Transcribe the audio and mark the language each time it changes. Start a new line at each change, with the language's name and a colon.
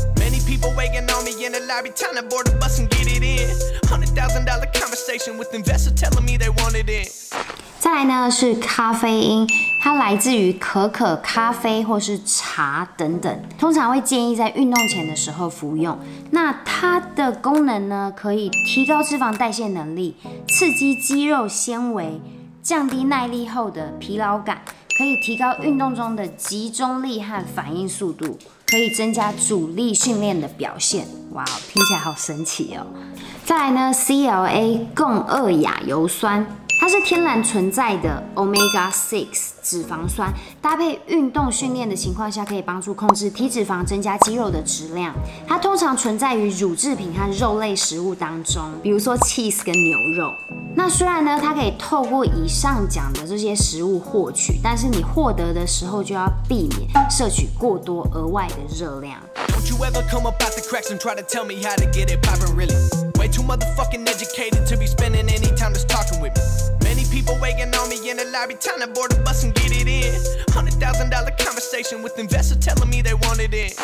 English: Many people waiting on me in the lobby, trying to board a bus and get it in. $100,000 conversation with investors telling me they wanted in.
Chinese: 再来呢是咖啡因，它来自于可可、咖啡或是茶等等，通常会建议在运动前的时候服用。那它的功能呢，可以提高脂肪代谢能力，刺激肌肉纤维，降低耐力后的疲劳感。可以提高运动中的集中力和反应速度，可以增加阻力训练的表现。哇，听起来好神奇哦！再来呢 ，CLA 共二亚油酸，它是天然存在的 Omega 6脂肪酸，搭配运动训练的情况下，可以帮助控制体脂肪，增加肌肉的质量。它通常存在于乳制品和肉类食物当中，比如说 cheese 跟牛肉。那虽然呢，它可以透过以上讲的这些食物获取，但是你获得的时候就要避免摄取过多额外的热量。
English: Don't you ever come up out the cracks and try to tell me how to get it poppin' really? Way too motherfucking educated to be spending any time just talking with me. Many people waiting on me in the lobby, trying to board a bus and get it in. $100,000 conversation with investors telling me they wanted in.